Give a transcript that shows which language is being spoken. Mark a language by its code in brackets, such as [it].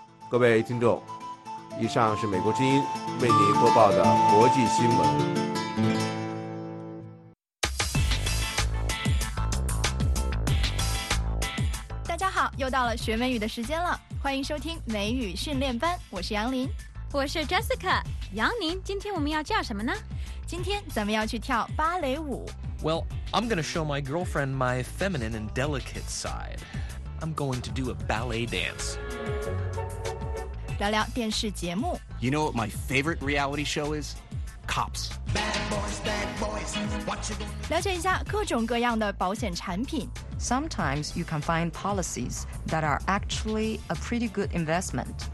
[zh] 各位听众，以上是美国之音为您播报的国际新闻。大家好，又到了学美语的时间了，欢迎收听美语训练班，我是杨林。我是 Jessica。杨林，今天我们要叫什么呢？今天咱们要去跳芭蕾舞。 [en] Well, I'm gonna show my girlfriend my feminine and delicate side. I'm going to do a ballet dance. [zh] 聊聊电视节目。 [en] You know what my favorite reality show is? Cops. Bad boys, bad boys. What you gonna... [zh] 了解一下各种各样的保险产品。 [en] Sometimes you can find policies that are actually a pretty good investment.